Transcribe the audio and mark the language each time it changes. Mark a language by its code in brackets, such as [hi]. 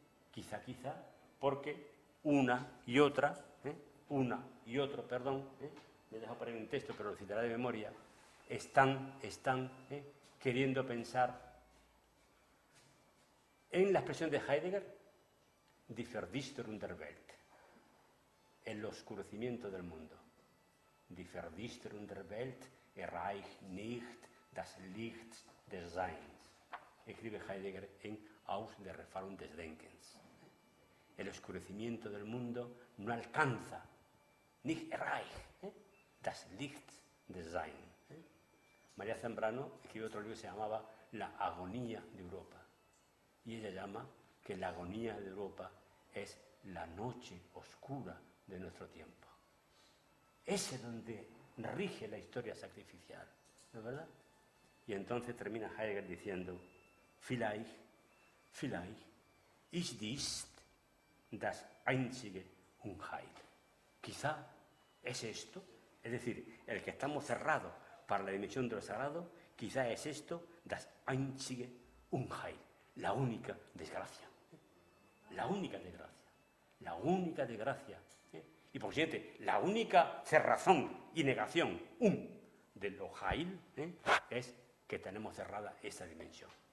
[es] Quizá, porque una y otra, me dejo poner un texto, pero lo citará de memoria, están queriendo pensar en la expresión de Heidegger, [de] die Verdichterung der Welt. [es] El oscurecimiento del mundo. [de] Die Verdichterung der Welt erreicht nicht das Licht des Seins. [es] Escribe Heidegger en Aus der Erfahrung des Denkens. El oscurecimiento del mundo no alcanza. [de] Nicht erreicht das Licht des Seins. [es] María Zambrano escribe otro libro que se llamaba La agonía de Europa. Y ella llama que la agonía de Europa es la noche oscura de nuestro tiempo. Ese donde rige la historia sacrificial, ¿no es verdad? Y entonces termina Heidegger diciendo: [de] Vielleicht ist dies das einzige Unheil. [es] Quizá es esto, es decir, el que estamos cerrados para la dimensión de lo sagrado, quizá es esto [de] das einzige Unheil, [es] la única desgracia. La única desgracia. Y por siguiente, la única cerrazón y negación de lo Heil es que tenemos cerrada esa dimensión.